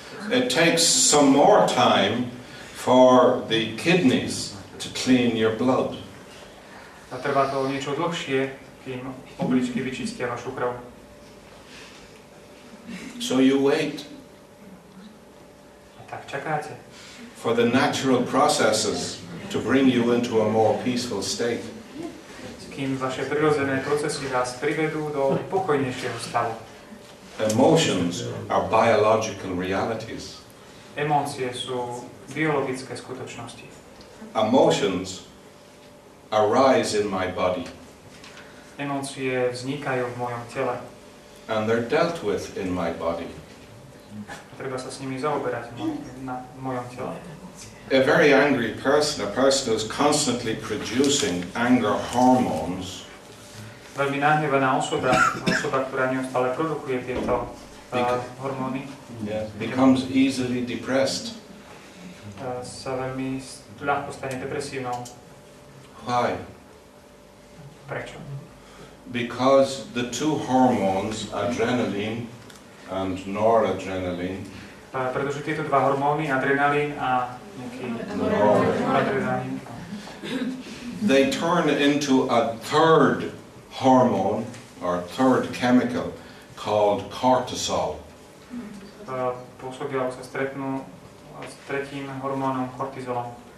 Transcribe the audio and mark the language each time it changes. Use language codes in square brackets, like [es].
[en] It takes some more time for the kidneys to clean your blood. [sk] A trvá to niečo dlhšie, kým obličky vyčistia vašu krv. [en] So you wait. [sk] A tak čakáte. [en] For the natural processes to bring you into a more peaceful state. [sk] Kým vaše prirodzené procesy vás privedú do pokojnejšieho stavu. [en] Emotions are biological realities. [sk] Emócie sú biologické skutočnosti. [en] Emotions arise in my body. [sk] Emócie vznikajú v mojom tele. [en] And they're dealt with in my body. [sk] Treba sa s nimi zaoberať v mojom tele. [en] A very angry person, a person who's constantly producing anger hormones. [sk] Veľmi nahnevaná osoba, osoba, ktorá neustále produkuje tieto hormóny. [en] Yeah, becomes easily depressed. [sk] Sa veľmi ľahko stane depresívnou. [en] Why? [sk] Prečo? [en] Because the two hormones, adrenaline and noradrenaline, [sk] pretože tieto dva hormóny, adrenalín a [en] noradrenalín, they turn into a third hormone or third chemical called cortisol. [sk] Pôsobia sa stretnú s tretím hormónom kortizolom.